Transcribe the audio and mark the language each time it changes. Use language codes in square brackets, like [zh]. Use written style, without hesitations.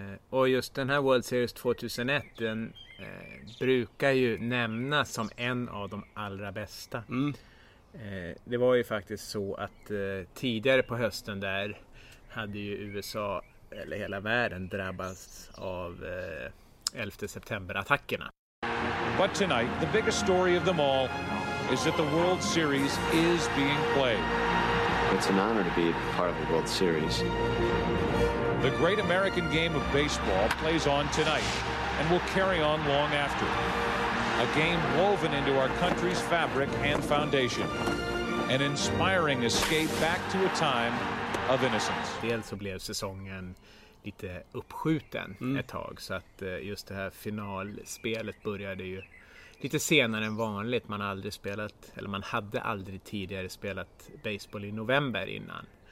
[sv] Och just den här World Series 2001, den brukar ju nämnas som en av de allra bästa. Mm. Det var ju faktiskt så att tidigare på hösten där hade ju USA, eller hela världen, drabbats av 11 september-attackerna. [en] But tonight, the biggest story of them all is that the World Series is being played. It's an honor to be part of the World Series. The great American game of baseball plays on tonight and will carry on long after. A game woven into our country's fabric and foundation. An inspiring escape back to a time of innocence. [sv] Dels så blev säsongen lite uppskjuten ett tag, så att just det här finalspelet började ju lite senare än vanligt. Man hade aldrig spelat, eller man hade aldrig tidigare spelat baseball i november innan.